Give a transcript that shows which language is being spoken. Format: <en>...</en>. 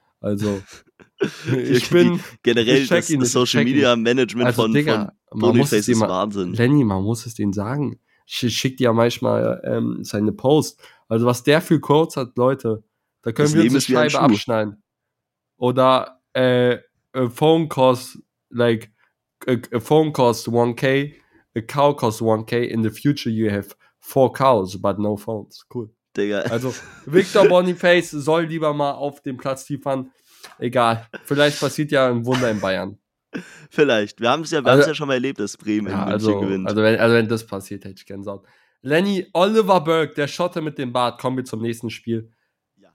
<de>Also, ich bin generell das Social-Media-Management also, von Boniface ist Wahnsinn. Lenny, man muss es denen sagen. Ich schicke dir ja manchmal seine Post. Also, was der für Quotes hat, Leute, da können das wir uns die Scheibe abschneiden. Oder</de> <en>Phone costs, like, a phone costs 1K, a cow costs 1K, in the future you have 4 cows, but no phones. Cool.</en> <de>Digga. Also, Victor Boniface soll lieber mal auf dem Platz liefern. Egal. Vielleicht passiert ja ein Wunder in Bayern. Vielleicht. Wir haben es ja, also, ja schon mal erlebt, dass Bremen ja, also, gewinnt. Also wenn das passiert, hätte ich Gänsehaut. Lenny Oliver Berg, der Schotte mit dem Bart, kommen wir zum nächsten Spiel. Ja.</de>